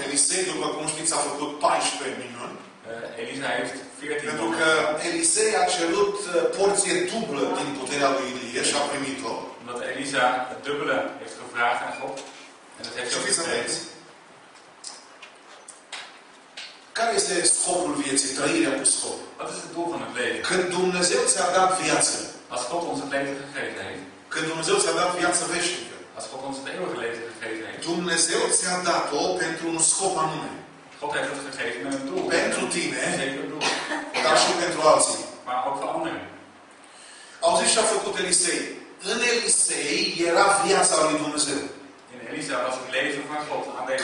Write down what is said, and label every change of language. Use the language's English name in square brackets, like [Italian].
[Romanian] Elisei, după cum știți, a făcut 14 minuni. [Dutch] Elisa heeft 14 [Romanian] minuni. Pentru că Elisei a cerut porție dublă din puterea lui Ilie și a primit-o. [Dutch] Omdat Elisa het dubbele heeft gevraagd aan God. En dat heeft ze ook gekregen. [Romanian] Care este scopul vieții, trăirea cu scop? [Dutch] Wat is het doel van het leven? [Romanian] Când Dumnezeu ți-a dat viață. [Dutch] Als God ons het leven gegeven heeft. [Romanian] Când Dumnezeu ți-a dat viață veșnică. [Dutch] Als God ons het eeuwige leven gegeven heeft. [Romanian] Dumnezeu ți-a dat-o pentru un scop anume. [Dutch] God heeft het gegeven met een doel. [Romanian] Pentru tine. [Dutch] Zeker doel. [Romanian] Dar și pentru alții. [Dutch] Maar ook voor anderen. [Romanian] Au zis ce a făcut Elisei. În Elisei era viața lui Dumnezeu. [Dutch] In Elisa was het leven van God aanwezig.